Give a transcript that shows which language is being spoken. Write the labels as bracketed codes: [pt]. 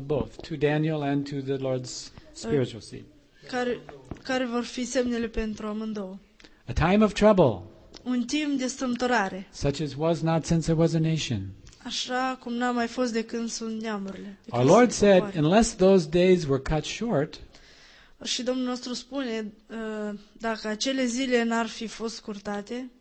[en] both, to Daniel and to the Lord's spiritual seed. [ro] Care vor fi semnele pentru amândouă? [en] A time of trouble. [ro] Un timp de strâmtorare. [en] Such as was not since there was a nation. [ro] Așa cum n-a mai fost de când sunt neamurile. [en] Our Lord said, unless those days were cut short. [ro] Și Domnul nostru spune, dacă acele zile n-ar fi fost scurtate,